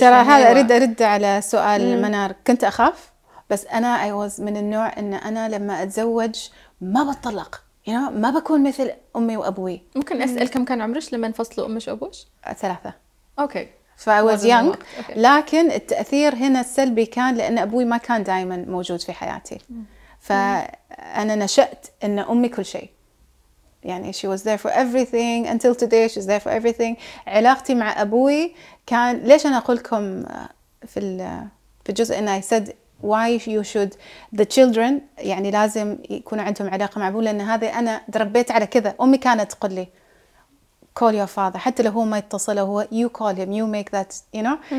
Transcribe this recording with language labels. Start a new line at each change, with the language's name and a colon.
Arabic: ترى هذا أرد على سؤال منار. كنت أخاف بس أنا
English: I was
Arabic: من النوع إن أنا لما أتزوج ما بطلق.
English: You know,
Arabic: ما بكون مثل أمي وأبوي. ممكن أسأل كم كان عمرش لما انفصلوا أمش وأبوش؟ 3. أوكي.
English: So I was young.
Arabic: لكن التأثير هنا السلبي كان لأن أبوي ما كان دائما موجود في حياتي. فأنا نشأت إن أمي كل شيء. يعني
English: she was there for everything until today she's there for everything.
Arabic: علاقتي مع أبوي كان ليش أنا أقولكم في الجزء إن
English: I said why you should the children
Arabic: يعني لازم يكون عندهم علاقة مع أبوي لأن هذا أنا تربيت على كذا. أمي كانت تقول لي
English: call your father
Arabic: حتى لو هو ما يتصل هو
English: you call him you make that you know.